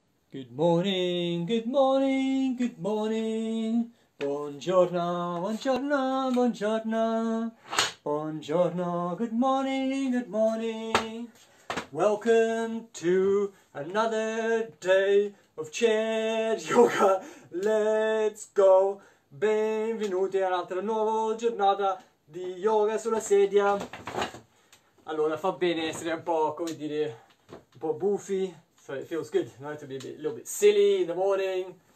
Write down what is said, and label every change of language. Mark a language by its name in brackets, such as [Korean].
[English] Good morning, good morning, good morning. [Italian] Buongiorno, buongiorno, buongiorno. Buongiorno, [English] good morning, good morning. Welcome to another day of chair yoga. Let's go. [Italian] Benvenuti a un'altra nuova giornata di yoga sulla sedia. Allora, fa bene essere un po', come dire, un po' buffi. [English] So it feels good, no, to be a little bit silly in the morning.